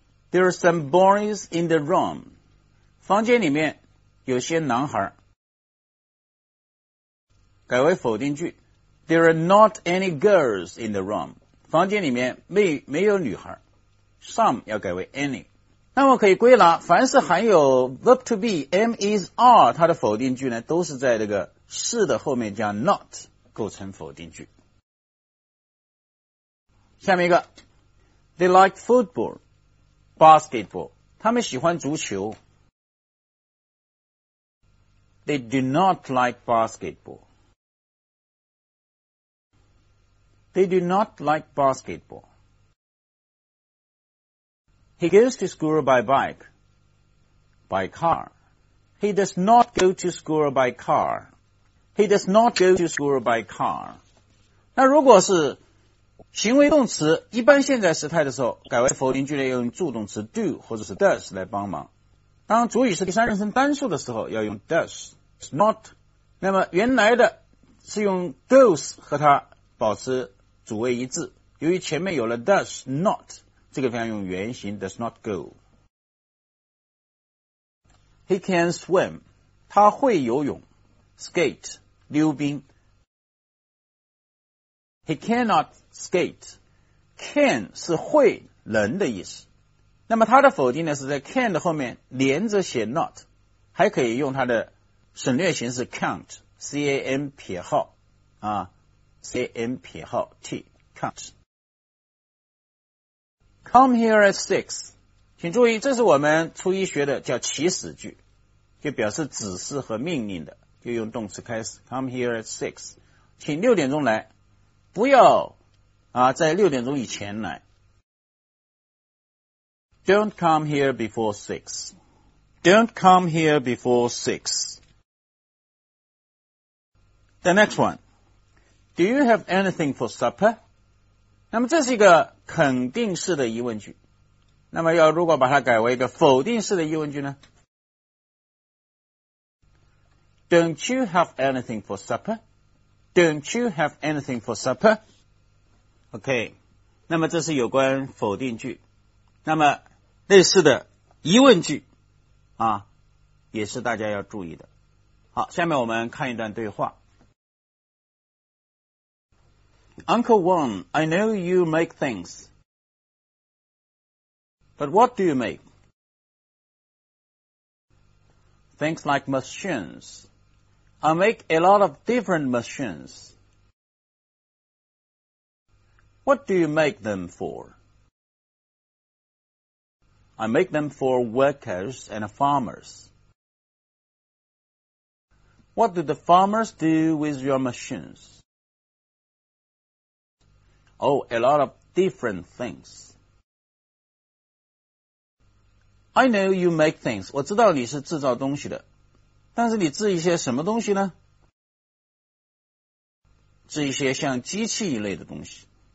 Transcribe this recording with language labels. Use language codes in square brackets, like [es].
[en] There are some boys in the room. [zh] 房间里面有些男孩。改为否定句。 [en] There are not any girls in the room. [zh] 房间里面 没有女孩。 Some 要改为 any. 那么可以归纳，凡是含有 verb to be, am, is, are, 它的否定句呢都是在这个是的后面加 not 构成否定句。 [en] 下面一个 They like football, basketball, [zh] 他们喜欢足球。 [en] They do not like basketball. They do not like basketball. He goes to school by bike, by car. He does not go to school by car. He does not go to school by car. [zh] 那如果是行为动词一般现在时态的时候，改为否定句呢，要用助动词 do 或者是 does 来帮忙。当主语是第三人称单数的时候，要用 does, not。那么原来的是用 goes 和它保持主谓一致，由于前面有了 does not, 这个地方用原形 does not go。 [en] He can swim, [zh] 他会游泳 [en] ,skate, 溜冰。 He cannot skate. Can [zh] 是会能的意思。那么它的否定呢是在 can 的后面连着写 not, 还可以用它的省略形式 count, C-A-M 撇号啊 ,C-A-M 撇号 T, count. [en] Come here at six. [zh] 请注意，这是我们初一学的叫祈使句，就表示指示和命令的，就用动词开始 , [en] come here at six. [zh] 请六点钟来。不要啊，在六点钟以前来。 [en] Don't come here before six. Don't come here before six. The next one. Do you have anything for supper? [zh] 那么这是一个肯定式的疑问句。那么要如果把它改为一个否定式的疑问句呢？ [en] Don't you have anything for supper? Don't you have anything for supper? [zh] OK, 那么这是有关否定句。那么类似的疑问句啊，也是大家要注意的。好，下面我们看一段对话。 [en] Uncle Wong, I know you make things. But what do you make? Things like machines. I make a lot of different machines. What do you make them for? I make them for workers and farmers. What do the farmers do with your machines? Oh, a lot of different things. I know you make things. [zh] 我知道你是制造东西的。但是你制一些什么东西呢？制一些像机器一类的东西。